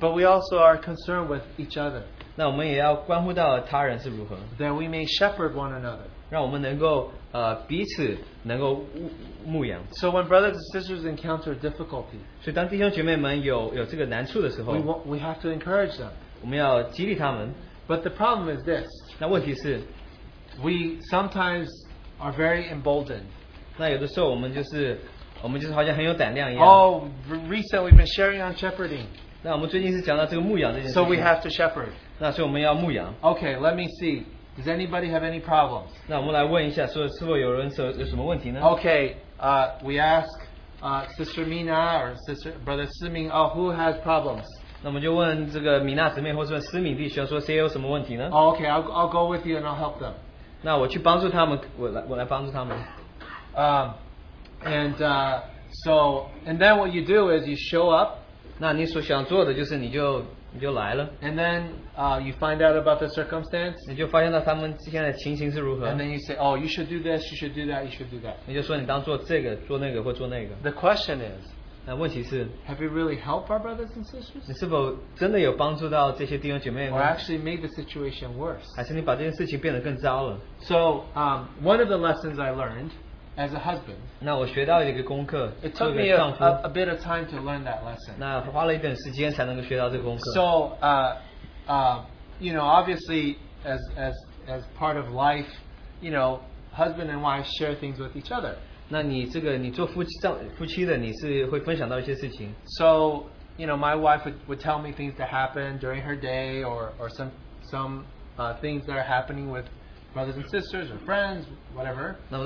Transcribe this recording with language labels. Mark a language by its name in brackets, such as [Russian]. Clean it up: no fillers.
[English] But we also are concerned with each other. [Chinese] 那我们也要关乎到他人是如何。 [English] That we may shepherd one another. [Chinese] 让我们能够彼此能够牧养。 [English] So when brothers and sisters encounter difficulty, [Chinese] 所以当弟兄姐妹们有这个难处的时候, [English] we have to encourage them. [Chinese] 我们要激励他们。 [English] But the problem is this. [Chinese] 那问题是, [English] we sometimes are very emboldened. [Chinese] 那有的时候我们就是好像很有胆量一样。 [English] Oh, recently we've been sharing on shepherding. [Chinese] 那我们最近是讲到这个牧养这件事。 [English] So we have to shepherd. [Chinese] 那所以我们要牧养。 [English] Okay, let me see. Does anybody have any problems? [Chinese] 那我们来问一下，是否有人有什么问题呢？ [English] Okay, we ask Sister Mina or Sister Brother Siming, oh, who has problems? [Chinese] 那我们就问这个米娜姊妹或者说思敏弟兄说谁有什么问题呢? [English] Oh, okay, I'll go with you and I'll help them. [Chinese] 那我去帮助他们，我来帮助他们。 [English] And then what you do is you show up. [Chinese] 那你所想做的就是你就来了。 [English] And then you find out about the circumstance. [Chinese] 你就发现到他们现在的情形是如何。 [English] And then you say, oh, you should do this, you should do that, you should do that. [Chinese] 你就说你当做这个，做那个或做那个。 [English] The question is, [Chinese] 那问题是, [English] have you really helped our brothers and sisters? [Chinese] 你是否真的有帮助到这些弟兄姐妹吗? [English] Or actually made the situation worse? [Chinese] 还是你把这件事情变得更糟了? [English] So, one of the lessons I learned as a husband, [Chinese] 那我学到一个功课, [English] it took me a bit of time to learn that lesson. [Chinese] 那花了一点时间才能够学到这个功课。 [English] So, you know, obviously, as part of life, you know, husband and wife share things with each other. [Chinese] 那你这个你做夫妻的你是会分享到一些事情。 [English] So, you know, my wife would tell me things that happen during her day or some things that are happening with brothers and sisters or friends, whatever.